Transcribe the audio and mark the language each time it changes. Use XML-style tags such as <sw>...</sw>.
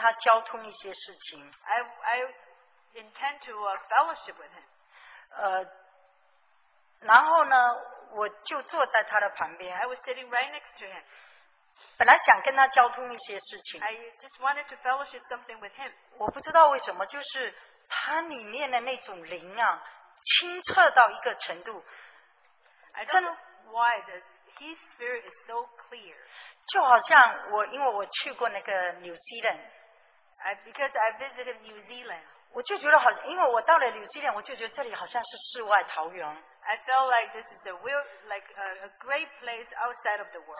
<zh>然后我本来是很想跟他交通一些事情。</zh> <en>I intend to fellowship with him.</en> <zh>然后呢, 我就坐在他的旁边。</zh> <en>I was sitting right next to him.</en> <zh>本来想跟他交通一些事情。</zh> <en>I just wanted to fellowship something with him.</en> <zh>我不知道为什么, 就是他里面的那种灵啊, 清澈到一个程度,</zh> <en>I don't know why the, his spirit is so clear.</en> <zh>就好像我因为我去过那个 New Zealand,</zh> <en>because I visited New Zealand.</en> <zh>我就觉得好像因为我到了 New Zealand, 我就觉得这里好像是世外桃源。</zh> <en>I felt like this is a real, like a great place outside of the world.</en>